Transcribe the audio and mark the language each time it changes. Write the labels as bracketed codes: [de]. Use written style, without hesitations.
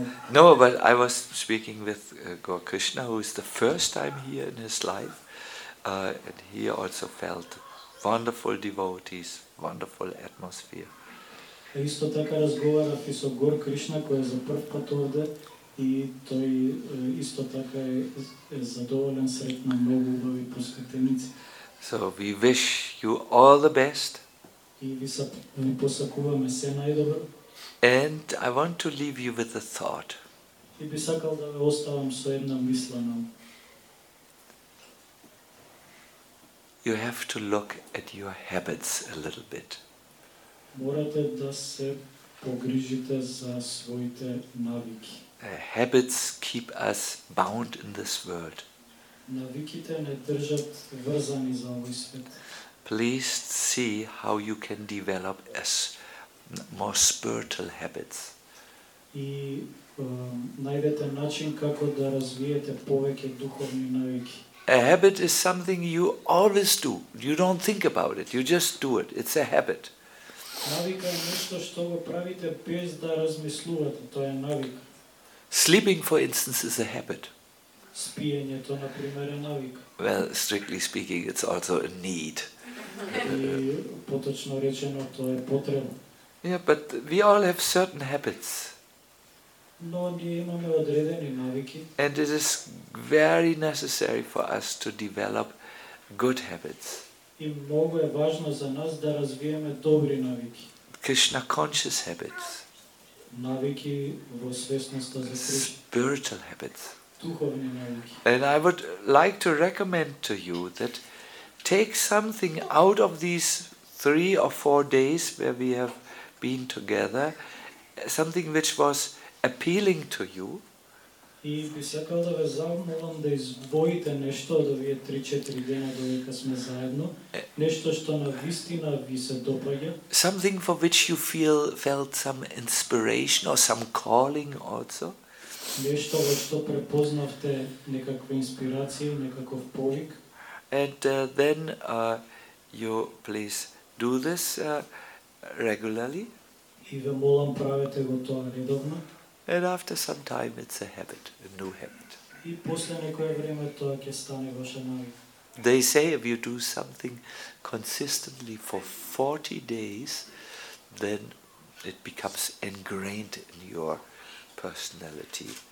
[en] No, but I was speaking with Gaur Krishna, who is the first time here in his life, and he also felt wonderful devotees, wonderful atmosphere. [mk] Исто така разговарав и со Гор Кришна, кој е за прв пат овде, и тој исто така е задоволен, сретна, многу убави посветеници. [en] So we wish you all the best. [mk] И ви посакуваме се најдобро. [en] And I want to leave you with a thought. [mk] И би сакал да ве оставам со една мисла. [en] You have to look at your habits a little bit. [mk] Морате да се погрижите за своите навики. [en] Habits keep us bound in this world. [mk] Навиките не држат врзани за овој свет. [en] Please see how you can develop as more spiritual habits. [mk] И најдете начин како да развиете повеќе духовни навики. [en] A habit is something you always do. You don't think about it. You just do it. It's a habit. [mk] Навика е нешто што го правите без да размислувате, тоа е навик. [en] Sleeping, for instance, is a habit. [mk] Спиењето, на пример, е навик. [en] Well, strictly speaking, it's also a need. [mk] И поточно речено, тоа е потреба. [en] Yeah, but we all have certain habits. [mk] Но ние имаме одредени навики. [en] And it is very necessary for us to develop good habits. [mk] И многу е важно за нас да развиеме добри навики. [en] Krishna conscious habits. [mk] Навики во свесноста за Кришна. [en] Spiritual habits. [mk] Духовни навики. [en] And I would like to recommend to you that take something out of these 3 or 4 days where we have been together, something which was appealing to you. [mk] И би сакал да ве замолам да избоите нешто од овие 3-4 дена додека сме заедно, нешто што на вистина ви се допаѓа. [en] Something for which you felt some inspiration or some calling also. [mk] Нешто во што препознавте некаква инспирација, некаков повик. [en] And then you please do this regularly. [mk] И ве молам правете го тоа редовно. [en] And after some time, it's a habit, a new habit. [mk] И после некое време тоа ќе стане ваша навика. [en] They say if you do something consistently for 40 days, then it becomes ingrained in your personality.